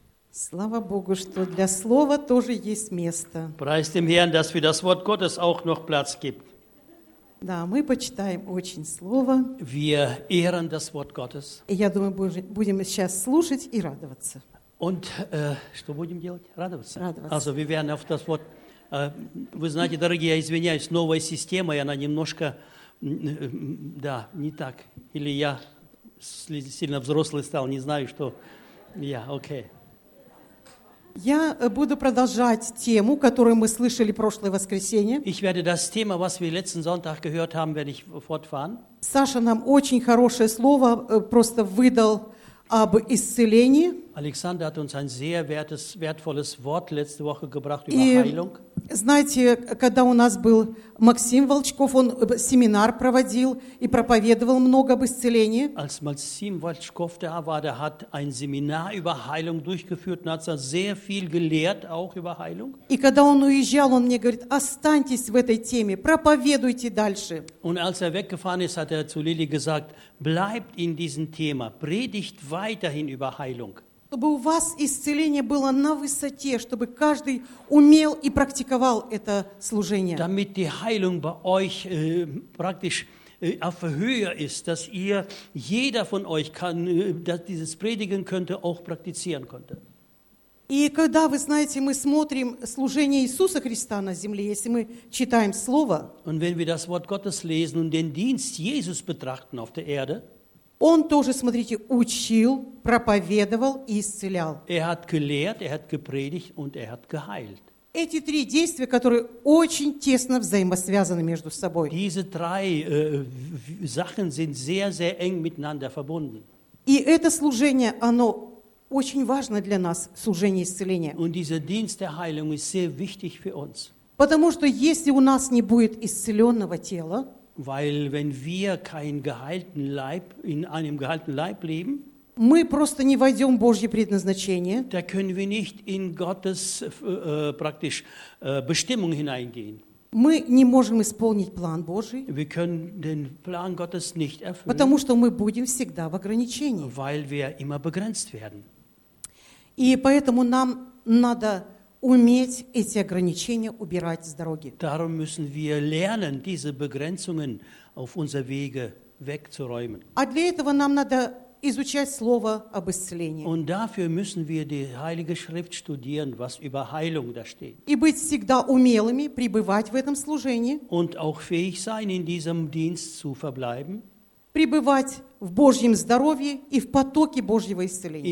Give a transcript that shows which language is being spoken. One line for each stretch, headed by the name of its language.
Russian: Слава Богу, что для слова тоже есть место.
German: Preist dem Herrn, dass für das Wort Gottes auch noch Platz gibt.
Russian: Да, мы почитаем очень слово.
German: Wir ehren das Wort Gottes.
Russian: И я думаю, будем сейчас слушать и радоваться.
German: Und
Russian: что будем делать? Радоваться. Радоваться.
German: Also, wir werden auf das Wort.
Russian: Вы знаете, дорогие, я извиняюсь, новая система, и она немножко, да, не так. Или я сильно взрослый стал, не знаю, что я, окей. Я буду продолжать тему, которую мы слышали прошлое воскресенье.
German: Ich werde das Thema, was wir letzten Sonntag gehört haben, werde ich fortfahren.
Russian: Саша нам очень хорошее слово просто выдал об исцелении.
German: Alexander hat uns ein sehr wertvolles Wort letzte Woche gebracht über Heilung.
Russian: Знаете, когда у нас был Максим Волчков, он семинар проводил и проповедовал много об исцелении.
German: Als Максим Волчков da war, der hat ein Seminar über Heilung durchgeführt und hat sehr viel gelehrt, auch über Heilung.
Russian: И когда он уезжал, он мне говорит, останьтесь в этой теме, проповедуйте дальше.
German: Und als weggefahren ist, hat zu Lili gesagt, bleibt in diesem Thema, predigt weiterhin über Heilung.
Russian: Чтобы у вас исцеление было на высоте, чтобы каждый умел и практиковал это служение.
German: Damit die Heilung bei euch praktisch auf Höhe ist, dass ihr jeder von euch kann, dass dieses Predigen könnte auch praktizieren könnte.
Russian: И когда вы знаете, мы смотрим служение Иисуса Христа на земле, если мы читаем Слово.
German: Und wenn wir das Wort Gottes lesen und den Dienst Jesus betrachten auf der Erde.
Russian: Он тоже, смотрите, учил, проповедовал и исцелял.
German: Er hat gelehrt, er hat gepredigt und er hat geheilt.
Russian: Эти три действия, которые очень тесно взаимосвязаны между собой.
German: Diese drei Sachen sind sehr, sehr eng miteinander verbunden.
Russian: И это служение, оно очень важно для нас, служение исцеления.
German: Und dieser Dienst der Heilung ist sehr wichtig für uns.
Russian: Потому что если у нас не будет исцеленного тела,
German: weil wenn wir keinen geheilten Leib in einem geheilten Leib leben,
Russian: мы просто не войдем в Божье предназначение,
German: da können wir nicht in Gottes praktisch Bestimmung hineingehen.
Russian: Мы не можем исполнить план Божий,
German: wir können den Plan Gottes nicht erfüllen,
Russian: потому что мы будем всегда в ограничении,
German: weil wir immer begrenzt werden.
Russian: И поэтому нам надо уметь эти ограничения убирать с дороги.
German: Darum müssen wir lernen, diese Begrenzungen auf unser Wege wegzuräumen.
Russian: А для этого нам надо изучать слово об исцелении.
German: Und dafür müssen wir die Heilige Schrift studieren, was über Heilung da steht.
Russian: И быть всегда умелыми, пребывать в этом служении.
German: Und auch fähig sein, in diesem Dienst zu verbleiben.
Russian: Пребывать в Божьем здоровье и в потоке Божьего исцеления.